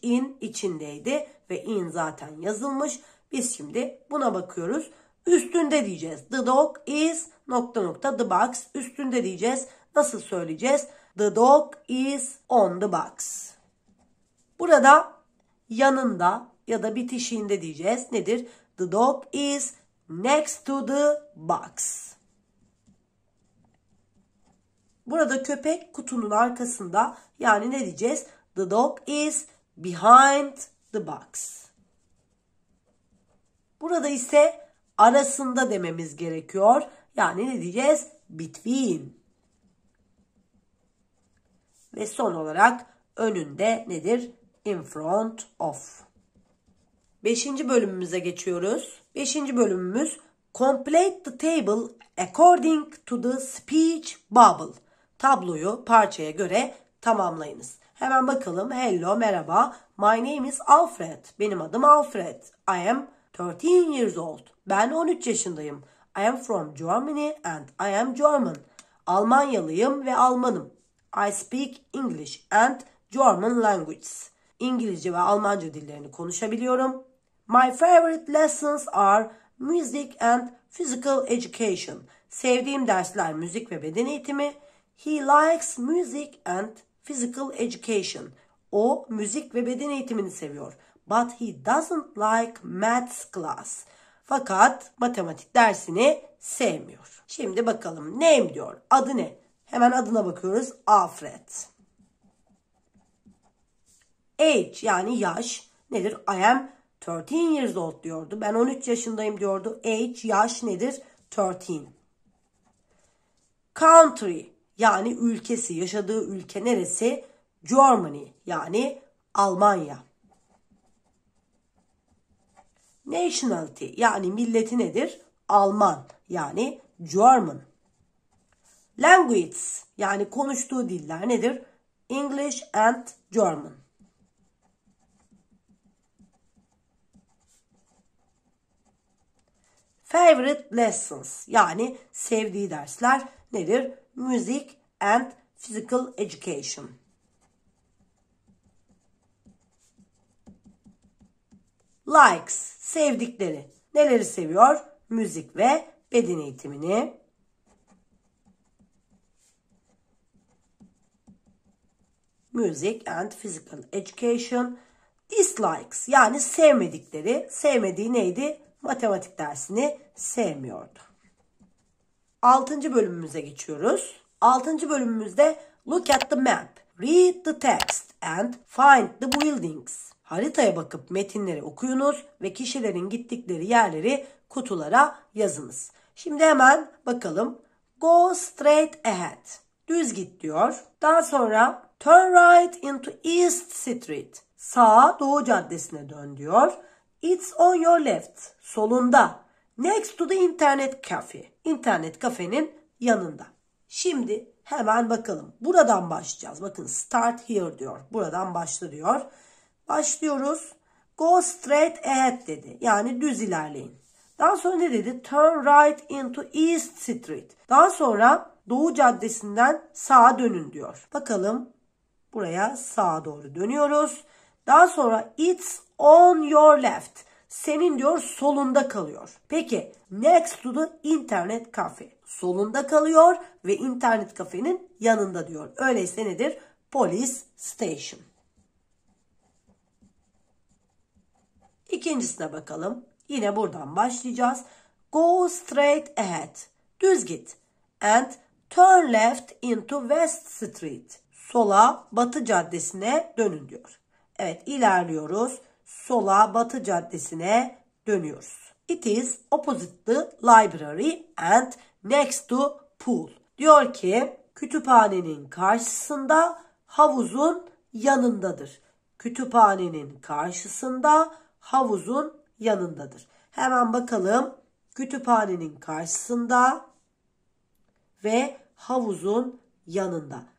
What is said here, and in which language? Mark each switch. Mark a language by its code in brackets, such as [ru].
[tr] In içindeydi ve in zaten yazılmış. Biz şimdi buna bakıyoruz. Üstünde diyeceğiz. [en] The dog is [tr] nokta nokta [en] the box [tr] üstünde diyeceğiz. Nasıl söyleyeceğiz? [en] The dog is on the box. [tr] Burada yanında ya da bitişiğinde diyeceğiz. Nedir? [en] The dog is next to the box. [tr] Burada köpek kutunun arkasında yani ne diyeceğiz? [en] The dog is behind the box. [tr] Burada ise arasında dememiz gerekiyor. Yani ne diyeceğiz? Between. Ve son olarak önünde nedir? [en] In front of. [tr] Beşinci bölümümüze geçiyoruz. Beşinci bölümümüz [en] Complete the table according to the speech bubble. [tr] Tabloyu parçaya göre tamamlayınız. Hemen bakalım. [en] Hello, [tr] merhaba. [en] My name is Alfred. [tr] Benim adım Alfred. [en] I am 13 years old. [tr] Ben 13 yaşındayım. [en] I am from Germany and I am German. [tr] Almanyalıyım ve Almanım. [en] I speak English and German languages. [tr] İngilizce ve Almanca dillerini konuşabiliyorum. [en] My favorite lessons are music and physical education. [tr] Sevdiğim dersler müzik ve beden eğitimi. [en] He likes music and physical education. [tr] O müzik ve beden eğitimini seviyor. [en] But he doesn't like maths class. [tr] Fakat matematik dersini sevmiyor. Şimdi bakalım name diyor. Adı ne? Hemen adına bakıyoruz. Alfred. [en] Age [tr] yani yaş nedir? [en] I am 13 years old [tr] diyordu. Ben 13 yaşındayım diyordu. Age yaş nedir? 13. Country yani ülkesi, yaşadığı ülke neresi? Germany yani Almanya. Nationality yani milleti nedir? Alman yani German. Language yani konuştuğu diller nedir? [en] English and German. [tr] Favorite lessons yani sevdiği dersler nedir? [en] Music and physical education. [tr] Likes, sevdikleri. Neleri seviyor? Müzik ve beden eğitimini. [en] Music and physical education. [tr] Dislikes, yani sevmedikleri. Sevmediği neydi? Matematik dersini sevmiyordu. Altıncı bölümümüze geçiyoruz. Altıncı bölümümüzde [en] look at the map, read the text and find the buildings. [tr] Haritaya bakıp metinleri okuyunuz ve kişilerin gittikleri yerleri kutulara yazınız. Şimdi hemen bakalım. [en] Go straight ahead. [tr] Düz git diyor. Daha sonra [en] turn right into East Street. [tr] Sağa Doğu Caddesi'ne dön diyor. [en] It's on your left. [tr] Solunda. [en] Next to the internet cafe. [tr] İnternet kafenin yanında. Şimdi hemen bakalım. Buradan başlayacağız. Bakın [en] start here [tr] diyor. Buradan başla diyor. Başlıyoruz. [en] Go straight ahead [tr] dedi. Yani düz ilerleyin. Daha sonra ne dedi? [en] Turn right into East Street. [tr] Daha sonra Doğu Caddesi'nden sağa dönün diyor. Bakalım. Buraya sağa doğru dönüyoruz. Daha sonra [en] it's on your left. [tr] Senin diyor solunda kalıyor. Peki [en] next to the internet cafe. [tr] Solunda kalıyor ve internet kafenin yanında diyor. Öyleyse nedir? [en] Police station. [tr] İkincisine bakalım. Yine buradan başlayacağız. [en] Go straight ahead. [tr] Düz git. [en] And turn left into West Street. [tr] Sola Batı Caddesi'ne dönün diyor. Evet ilerliyoruz. Sola Batı Caddesi'ne dönüyoruz. [en] It is opposite the library and next to pool. [tr] Diyor ki kütüphanenin karşısında havuzun yanındadır. Kütüphanenin karşısında havuzun yanındadır. Hemen bakalım. Kütüphanenin karşısında ve havuzun yanında.